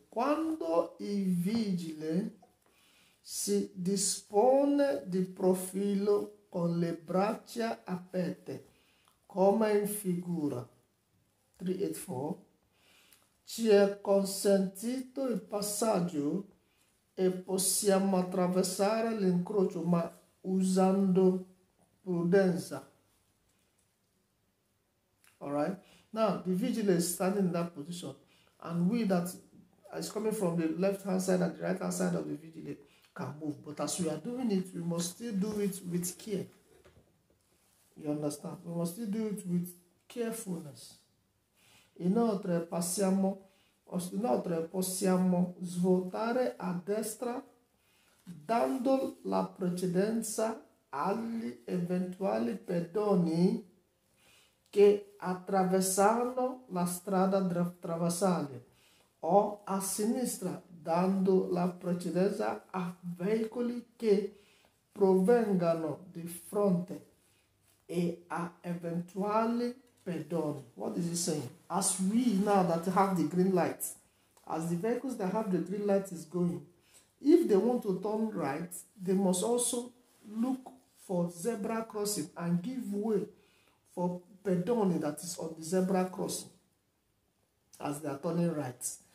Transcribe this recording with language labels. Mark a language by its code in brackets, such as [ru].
[it] Quando il vigile si dispone di profilo con le braccia aperte, come in figura 384, ci è consentito il passaggio e possiamo attraversare l'incrocio, ma usando prudenza. [en] Alright? Now, the vigilante is standing in that position, and we that is coming from the left-hand side and the right-hand side of the vigilante can move. But as we are doing it, we must still do it with care. You understand? We must still do it with carefulness. [it] Inoltre, possiamo svoltare a destra, dando la precedenza agli eventuali pedoni che attraversano la strada traversale, o a sinistra, dando la precedenza a veicoli che provengano di fronte e a eventuali pedoni. [en] What is he saying? As we now that have the green light, as the vehicles that have the green light is going, if they want to turn right, they must also look for zebra crossing and give way for pedone that is on the zebra crossing as they are turning right.